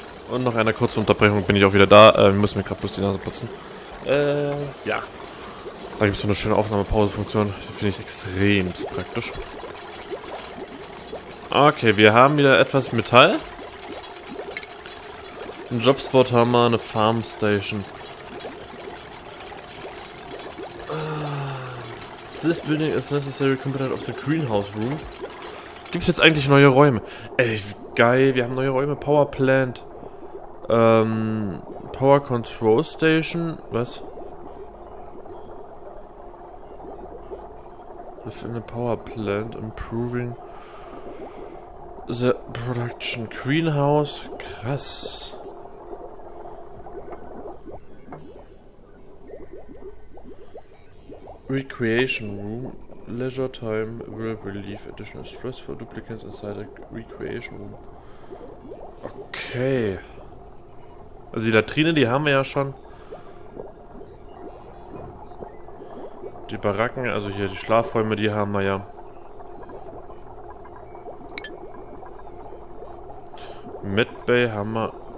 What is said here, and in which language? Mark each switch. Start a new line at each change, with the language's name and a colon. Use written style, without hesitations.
German: Und nach einer kurzen Unterbrechung bin ich auch wieder da. Wir müssen mir gerade bloß die Nase putzen. Ja. Da gibt es so eine schöne Aufnahmepause-Funktion. Die finde ich extrem praktisch. Okay, wir haben wieder etwas Metall. Ein Jobspot haben wir, eine Farmstation.
English: This building is necessary component of the greenhouse room.
German: Gibt es jetzt eigentlich neue Räume? Ey, geil, wir haben neue Räume.
English: Power Plant. Power Control Station.
German: Was?
English: Within the Power Plant. Improving the Production Greenhouse.
German: Krass.
English: Recreation Room. Leisure Time will relieve additional stress for duplicates inside a recreation room.
German: Okay. Also die Latrine, die haben wir ja schon. Die Baracken, also hier die Schlafräume, die haben wir ja. Medbay haben wir.